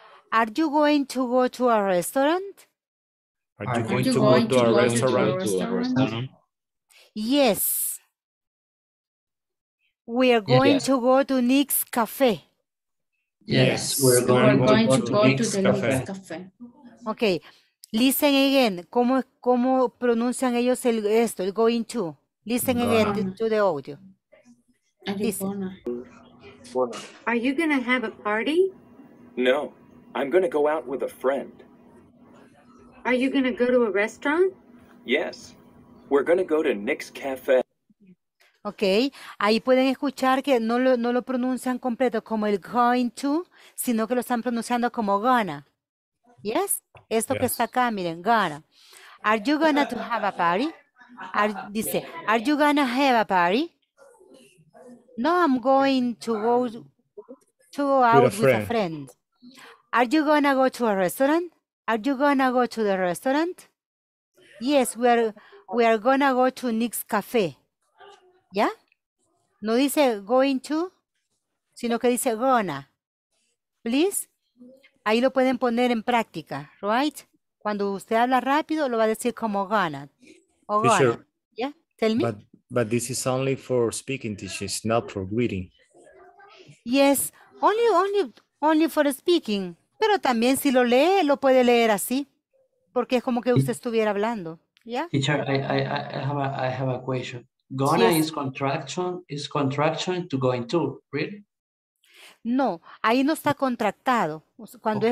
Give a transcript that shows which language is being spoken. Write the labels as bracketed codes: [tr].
[en] Are you going to go to a restaurant? Are you going to go to a restaurant? Yes. We are going to go to Nick's Cafe. Yes, we're going to go to Nick's Cafe. Okay. Listen again, [es] ¿cómo pronuncian ellos el going to? [en] Listen again to the audio. Listen. Are you going to have a party? No, I'm going to go out with a friend. Are you going to go to a restaurant? Yes, we're going to go to Nick's Cafe. [es] Okay, ahí pueden escuchar que no lo pronuncian completo como el going to, sino que lo están pronunciando como gonna. [en] Yes, [es] esto que está acá, miren, [en] gonna. Are you gonna to have a party? [es] Dice, [en] are you gonna have a party? No, I'm going to go out with a friend. Are you gonna go to a restaurant? Are you gonna go to the restaurant? Yes, we are gonna go to Nick's Cafe. [es] ¿Ya? No dice going to, sino que dice gonna. [en] Please. [es] Ahí lo pueden poner en práctica, [en] right? [es] Cuando usted habla rápido, lo va a decir como gana. [en] O gana. Sure. Yeah, tell me. But this is only for speaking teachers, not for greeting. Yes, only for speaking. [es] Pero también si lo lee, lo puede leer así. Porque es como que usted estuviera hablando. [en] Yeah? Teacher, I have a question. Gana is contraction to going to, really? [es] No, ahí no está contractado. Cuando es